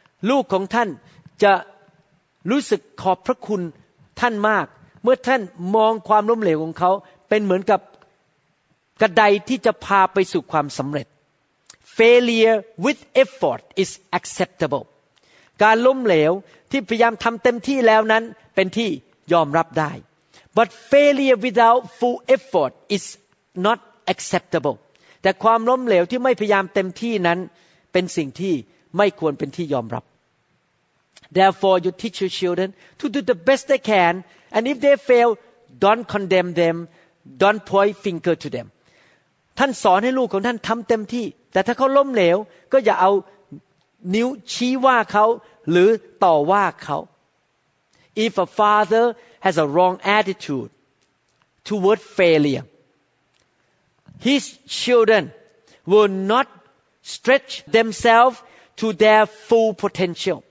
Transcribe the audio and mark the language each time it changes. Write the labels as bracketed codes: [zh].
[th] ลูกของท่านจะรู้สึกขอบพระคุณท่านมากเมื่อท่านมองความล้มเหลวของเขาเป็นเหมือนกับกระไดที่จะพาไปสู่ความสำเร็จ [en] Failure with effort is acceptable [th] การล้มเหลวที่พยายามทำเต็มที่แล้วนั้นเป็นที่ยอมรับได้ [en] But failure without full effort is not acceptable [th] แต่ความล้มเหลวที่ไม่พยายามเต็มที่นั้นเป็นสิ่งที่ไม่ควรเป็นที่ยอมรับ [en] Therefore you teach your children to do the best they can and if they fail don't condemn them don't point finger to them [th] ท่านสอนให้ลูกของท่านทำเต็มที่แต่ถ้าเขาล้มเหลวก็อย่าเอานิ้วชี้ว่าเขาหรือต่อว่าเขา [en] If a father has a wrong attitude toward failure, his children will not stretch themselves to their full potential.